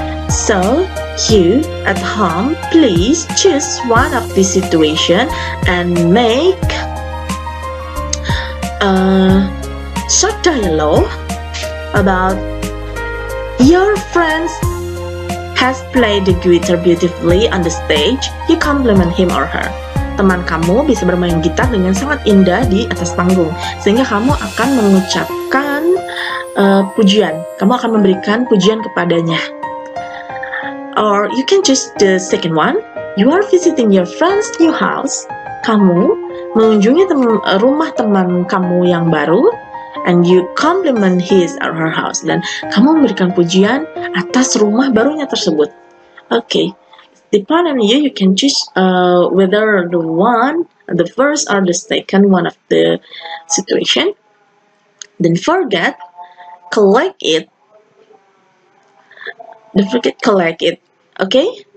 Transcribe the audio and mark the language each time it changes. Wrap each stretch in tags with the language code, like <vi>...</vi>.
<en>So you at home, please choose one of these situation and make a short dialogue about your friend has played the guitar beautifully on the stage. You compliment him or her.</en> <id>Teman kamu bisa bermain gitar dengan sangat indah di atas panggung. Sehingga kamu akan mengucapkan pujian. Kamu akan memberikan pujian kepadanya.</id> <en>Or you can choose the second one. You are visiting your friend's new house.</en> <id>Kamu mengunjungi rumah teman kamu yang baru.</id> <en>And you compliment his or her house.</en> <id>Dan kamu memberikan pujian atas rumah barunya tersebut.</id> <en>Okay. Depend on you, you can choose whether the one, the first or the second one of the situation. Then forget, collect it. Don't forget, collect it. Okay?</en>